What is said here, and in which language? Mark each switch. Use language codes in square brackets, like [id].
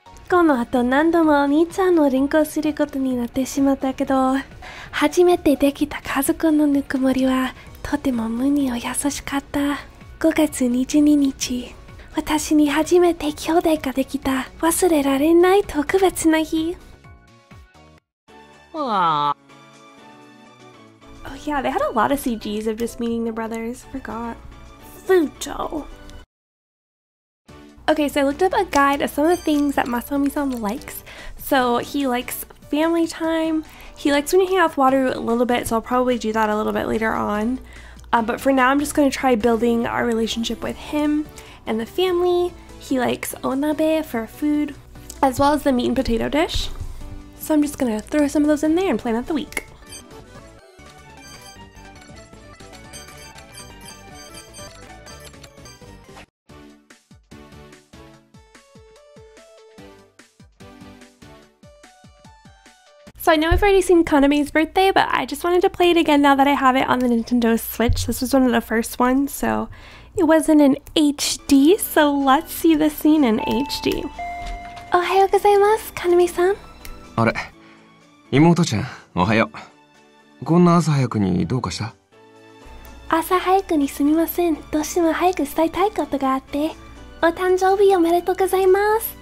[ja] この後何度もお兄ちゃんの連行することになってしまったけど、初めてできた家族のぬくもりはとても無にお優しかった。 5月22日、私に初めて兄弟ができた忘れられない特別な日。わあ。 [en] Oh yeah, they had a lot of CGs of just meeting the brothers. Forgot. Fujo. Okay, so I looked up a guide of some of the things that Masaomi-san likes. So he likes family time. He likes when you hang out with Wataru a little bit, so I'll probably do that a little bit later on. But for now, I'm just going to try building our relationship with him. And the family, he likes onabe for food, as well as the meat and potato dish. So I'm just gonna throw some of those in there and plan out the week. So I know I've already seen Kaname's birthday, but I just wanted to play it again now that I have it on the Nintendo Switch. This was one of the first ones, so... It wasn't in HD, so let's see the scene in HD. [ja] おはようございます、カナミさん。あれ、妹ちゃん、おはよう。こんな朝早くにどうかした？朝早くにすみません。どうしても早く伝えたいことがあって。お誕生日おめでとうございます。